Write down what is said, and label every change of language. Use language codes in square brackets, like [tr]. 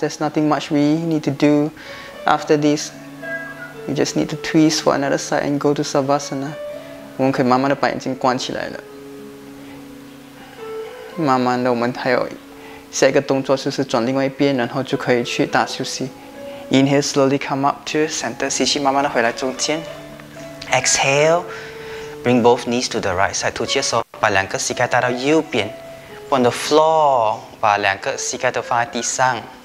[en] There's nothing much we need to do after this. We just need to twist for another side and go to Savasana. [zh] 我们可以慢慢的把眼睛关起来了。慢慢的，我们还有下一个动作，就是转另外一边，然后就可以去大休息. [en] Inhale, slowly come up to center. [zh] 吸气，慢慢的回来中间. [en] Exhale, bring both knees to the right side. [zh] 吐气的时候，把两个膝盖带到右边. [en] On the floor, [zh] 把两个膝盖都放在地上.